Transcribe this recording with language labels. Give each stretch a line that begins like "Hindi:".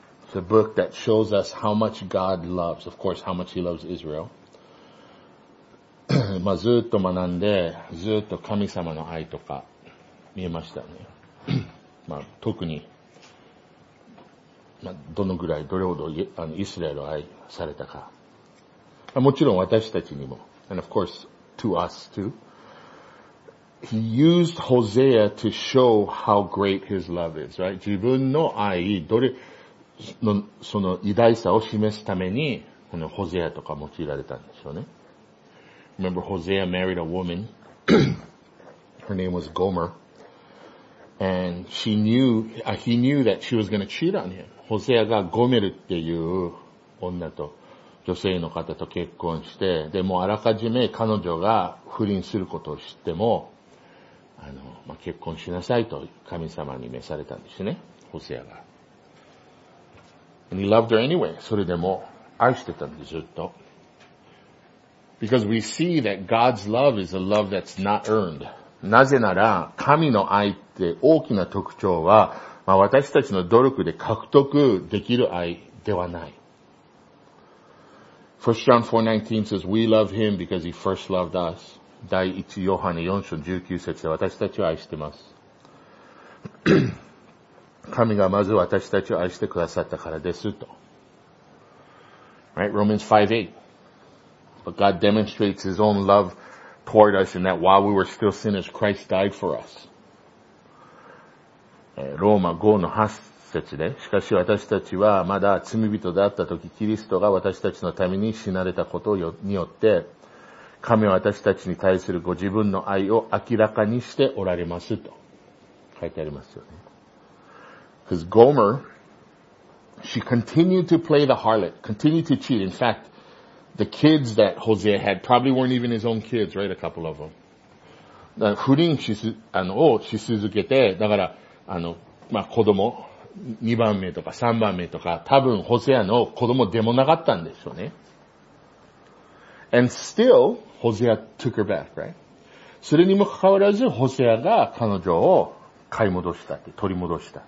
English: It's a book that shows us how much God loves. Of course, how much He loves Israel.
Japanese: まあずっと学んで、ずっと神様の愛とか見えましたね。まあ特に、まあ、どのぐらい、どれほどイスラエルを愛されたか。まあ、もちろん私たちにも。
English: And of course, to us too. He used Hosea to show how great his love is, right?
Japanese: 自分の愛、どれ、その偉大さを示すために、このホゼアとか用いられたんでしょうね。
English: Remember, Hosea married a woman. Her name was Gomer. And she knew, he knew that she was going to cheat on him.
Japanese: Hosea がゴメルっていう女と、女性の方と結婚して、でもあらかじめ彼女が不倫することを知っても、まあ、結婚しなさいと神様に召されたんですね、ホセアが。
English: And he loved her anyway.
Japanese: それでも愛してたんです、ずっと。
English: Because we see that God's love is a love that's not earned.
Japanese: なぜなら、神の愛って大きな特徴は、まあ、私たちの努力で獲得できる愛ではない。
English: 1 John 4:19 says, We love him because he first loved us.
Japanese: 第1ヨハネ4章19節で私たちを愛してます。神がまず私たちを愛してくださったからですと。
English: Right? Romans 5:8. But God demonstrates His own love toward us in that while we were still sinners, Christ died for us.
Japanese: ローマ5の8節で、しかし私たちはまだ罪人だった時、キリストが私たちのために死なれたことによって、神は私たちに対するご自分の愛を明らかにしておられますと書いてありますよね。
English: Because Gomer, she continued to play the harlot, continued to cheat. In fact, the kids that Hosea had probably weren't even his own kids, right? A couple of them.
Japanese: 不倫をし続けて、だから、まあ、子供、2番目とか3番目とか、多分ホセアの子供でもなかったんでしょうね。
English: And still, Hosea took her back, right?
Japanese: それにもかかわらず、ホセアが彼女を買い戻したって、取り戻した。